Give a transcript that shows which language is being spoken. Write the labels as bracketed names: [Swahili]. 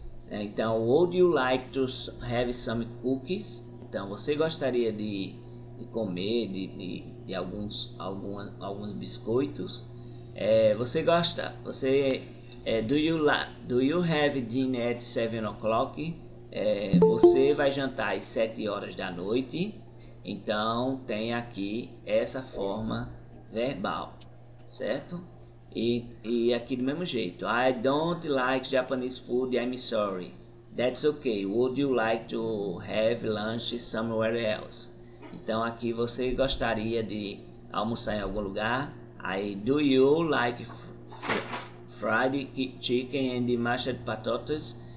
[English] Então, would you like to have some cookies? [Portuguese] Então, você gostaria de comer de alguns biscoitos? Você gosta? [English] Do you have dinner at 7 o'clock? [Portuguese] Você vai jantar às 7 horas da noite? Então, tem aqui essa forma verbal, certo? E aqui do mesmo jeito. [English] I don't like Japanese food. I'm sorry. That's okay. Would you like to have lunch somewhere else? [Portuguese] Então aqui você gostaria de almoçar em algum lugar? [English] I do you like fried chicken and mashed potatoes?